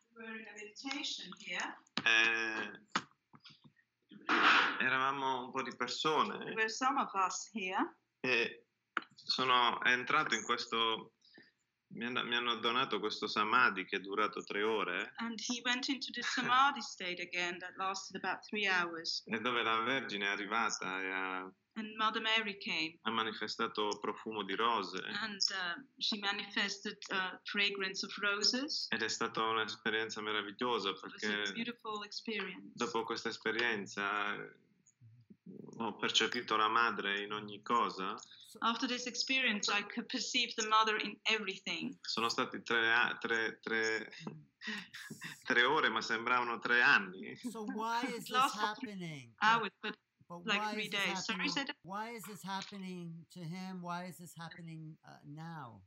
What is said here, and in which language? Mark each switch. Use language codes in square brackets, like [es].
[en] We're in a meditation here. [it] Eravamo un po' di persone. [en] There's some of us here. [it] E sono entrato in questo, mi hanno donato questo samadhi che è durato 3 ore. [en] And he went into the samadhi state again that lasted about 3 hours. [it] E dove la Vergine è arrivata e ha, [en] and Mother Mary came. [it] Ha manifestato profumo di rose. [en] And she manifested a fragrance of roses. [it] Ed è stata un'esperienza meravigliosa perché [en] it was a beautiful experience. [it] Dopo questa esperienza ho percepito la madre in ogni cosa. [en] After this experience I could perceive the mother in everything. [it] Sono stati tre ore, ma sembravano 3 anni. [en] So why is this happening? But like 3 days. Sorry, said that. Why is this happening to him? Why is this happening now?